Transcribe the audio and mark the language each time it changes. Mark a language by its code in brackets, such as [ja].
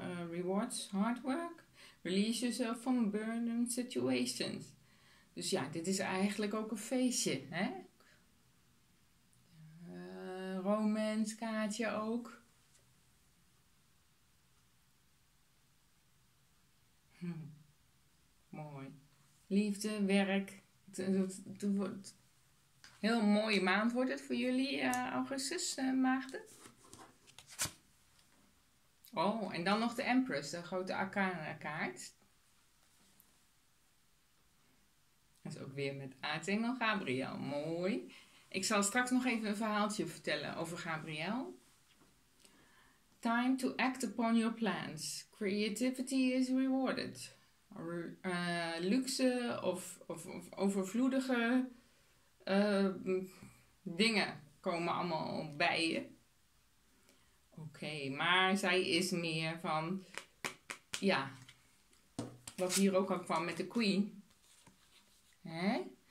[en] Rewards, hard work, release yourself from burning situations. [nl] Dus ja, dit is eigenlijk ook een feestje, hè? Romance kaartje ook. Mooi. Liefde, werk. Het wordt een heel mooie maand wordt het voor jullie, augustus, maagden. Oh, en dan nog de Empress, de grote Arcana kaart. Dat is ook weer met aartsengel Gabriel. Mooi. Ik zal straks nog even een verhaaltje vertellen over Gabriel. [en] Time to act upon your plans. Creativity is rewarded. [nl] Luxe of overvloedige dingen komen allemaal bij je. Oké, maar zij is meer van, ja, wat hier ook al kwam met de Queen. Hè?